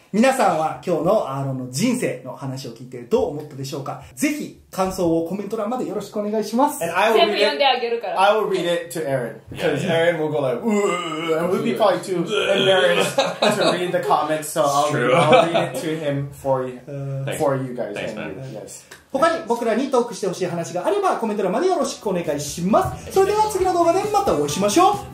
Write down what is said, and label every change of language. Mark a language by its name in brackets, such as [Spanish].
[Japanese] 皆さんは今日のアーロンの人生の話を聞いてどう思ったでしょうか。ぜひ感想をコメント欄までよろしくお願いします。全部読んであげるから。 [English] I will read it to Aaron because Aaron will go like ooh, and we'll be probably too embarrassed to read the comments, so I'll read it to him for you guys. Thanks, man. Yes. [Japanese] 他に僕らにトークしてほしい話があればコメント欄までよろしくお願いします。それでは次の動画でまたお会いしましょう。